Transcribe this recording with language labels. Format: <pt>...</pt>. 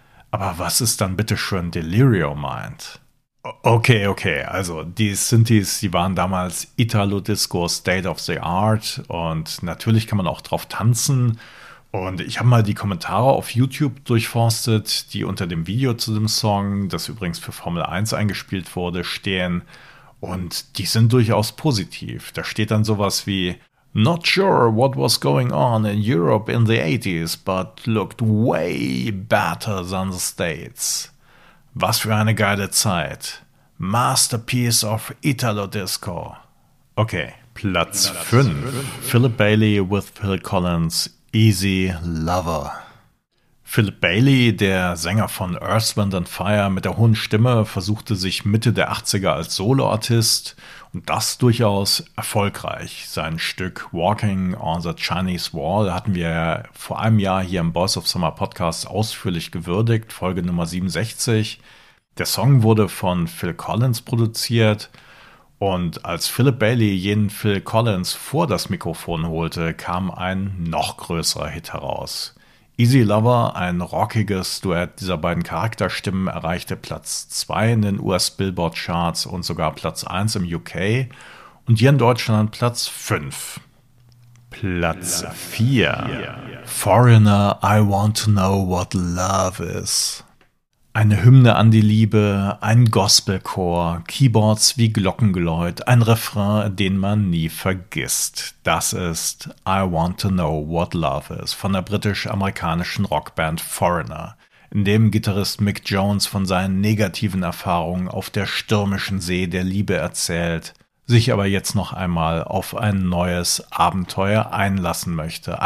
<de>Aber was ist dann bitteschön Delirium Mind? Okay, also die Synthies, die waren damals Italo-Disco State of the Art und natürlich kann man auch drauf tanzen. Und ich habe mal die Kommentare auf YouTube durchforstet, die unter dem Video zu dem Song, das übrigens für Formel 1 eingespielt wurde, stehen. Und die sind durchaus positiv. Da steht dann sowas wie:</de> <en>Not sure what was going on in Europe in the 80s, but looked way better than the States.</en> <de>Was für eine geile Zeit.</de> <en>Masterpiece of Italo Disco.</en> <de>Okay, Platz 5. Philip Bailey with Phil Collins. Easy Lover. Philip Bailey, der Sänger von Earth, Wind & Fire mit der hohen Stimme, versuchte sich Mitte der 80er als Soloartist und das durchaus erfolgreich. Sein Stück Walking on the Chinese Wall hatten wir vor einem Jahr hier im Boys of Summer Podcast ausführlich gewürdigt, Folge Nummer 67. Der Song wurde von Phil Collins produziert. Und als Philip Bailey jenen Phil Collins vor das Mikrofon holte, kam ein noch größerer Hit heraus. Easy Lover, ein rockiges Duett dieser beiden Charakterstimmen, erreichte Platz 2 in den US-Billboard-Charts und sogar Platz 1 im UK und hier in Deutschland Platz 5. Platz 4. Foreigner, I want to know what love is. Eine Hymne an die Liebe, ein Gospelchor, Keyboards wie Glockengeläut, ein Refrain, den man nie vergisst. Das ist I Want to Know What Love Is von der britisch-amerikanischen Rockband Foreigner, in dem Gitarrist Mick Jones von seinen negativen Erfahrungen auf der stürmischen See der Liebe erzählt, sich aber jetzt noch einmal auf ein neues Abenteuer einlassen möchte.</de>